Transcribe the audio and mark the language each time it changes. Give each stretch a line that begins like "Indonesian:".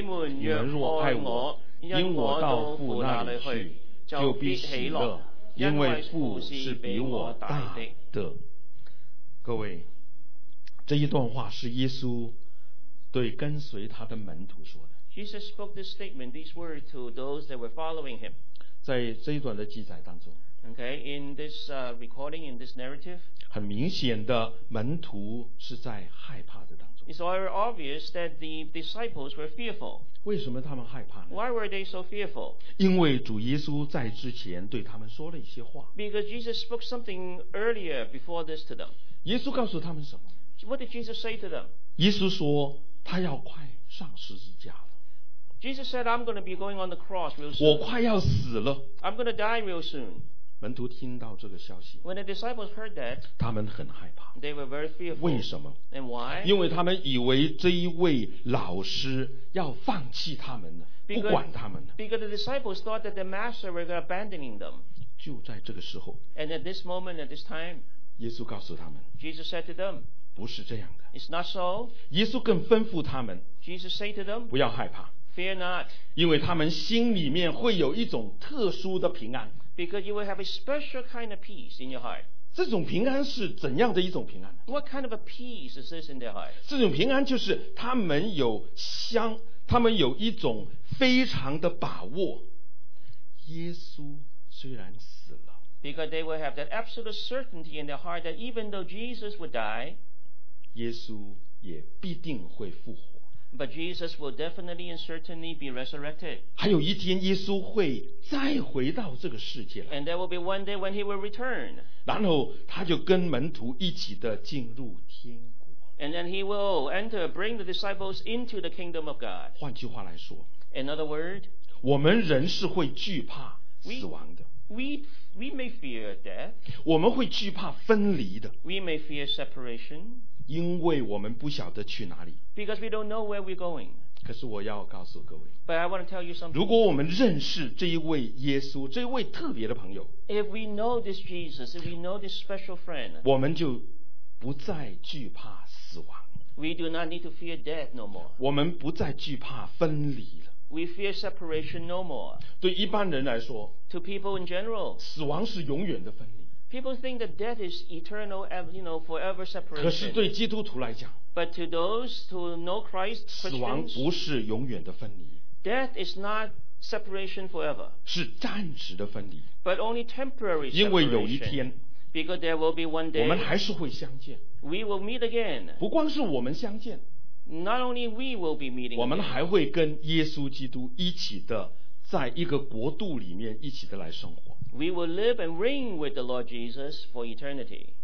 Chinese: 们若爱我，因我到父那里去，就必喜乐，因为父是比我大的。各位，这一段话是耶稣对跟随他的门徒说的。
English: Jesus spoke this statement, these words to those that were following him.
Chinese: 在这一段的记载当中。
English: Okay, in this recording, in this narrative.
Chinese: 很明显的，门徒是在害怕的当中。
English: It's very obvious that the disciples were fearful.
Chinese: 为什么他们害怕呢？
English: Why were they so fearful?
Chinese: 因为主耶稣在之前对他们说了一些话。
English: Because Jesus spoke something earlier before this to them.
Chinese: 耶稣告诉他们什么？
English: What did Jesus say to them?
Chinese: 耶稣说他要快上十字架。
English: Jesus said, I'm going to be going on the cross real soon.
Chinese: 我快要死了。
English: I'm going to die real soon.
Chinese: 门徒听到这个消息。
English: When the disciples heard that,
Chinese: 他们很害怕。
English: They were very fearful.
Chinese: 为什么？
English: And why?
Chinese: 因为他们以为这一位老师要放弃他们了，
English: because,
Chinese: 不管他们了。
English: Because the disciples thought that their master were abandoning them.
Chinese: 就在这个时候。
English: And at this moment, at this time,
Chinese: 耶稣告诉他们。
English: Jesus said to them,
Chinese: 不是这样的。
English: It's not so.
Chinese: 耶稣更吩咐他们。
English: Jesus said to them,
Chinese: 不要害怕。
English: Fear not.
Chinese: 因为他们心里面会有一种特殊的平安。
English: Because you will have a special kind of peace in your heart.
Chinese: 这种平安是怎样的一种平安？
English: What kind of a peace is this in their heart?
Chinese: 这种平安就是他们有一种非常的把握。耶稣虽然死了。
English: Because they will have that absolute certainty in their heart that even though Jesus would die,
Chinese: 耶稣也必定会复活。
English: But Jesus will definitely and certainly be resurrected.
Chinese: 还有一天耶稣会再回到这个世界来。
English: And there will be one day when he will return.
Chinese: 然后他就跟门徒一起的进入天国。
English: And then he will enter, bring the disciples into the kingdom of God.
Chinese: 换句话来说。
English: In other words,
Chinese: 我们人是会惧怕死亡的。
English: We may fear death.
Chinese: 我们会惧怕分离的。
English: We may fear separation.
Chinese: 因为我们不晓得去哪里。
English: Because we don't know where we're going.
Chinese: 可是我要告诉各位。
English: But I want to tell you something.
Chinese: 如果我们认识这一位耶稣，这一位特别的朋友。
English: If we know this Jesus, if we know this special friend.
Chinese: 我们就不再惧怕死亡。
English: We do not need to fear death no more.
Chinese: 我们不再惧怕分离了。
English: We fear separation no more.
Chinese: 对一般人来说。
English: To people in general.
Chinese: 死亡是永远的分离。
English: People think that death is eternal, you know, forever separation.
Chinese: 可是对基督徒来讲，
English: But to those who know Christ,
Chinese: 死亡不是永远的分离。
English: Death is not separation forever.
Chinese: 是暂时的分离。
English: But only temporary separation.
Chinese: 因为有一天，
English: Because there will be one day,
Chinese: 我们还是会相见。
English: We will meet again.
Chinese: 不光是我们相见，
English: Not only we will be meeting again.
Chinese: 我们还会跟耶稣基督一起的，在一个国度里面一起的来生活。
English: We will live and reign with the Lord Jesus for eternity.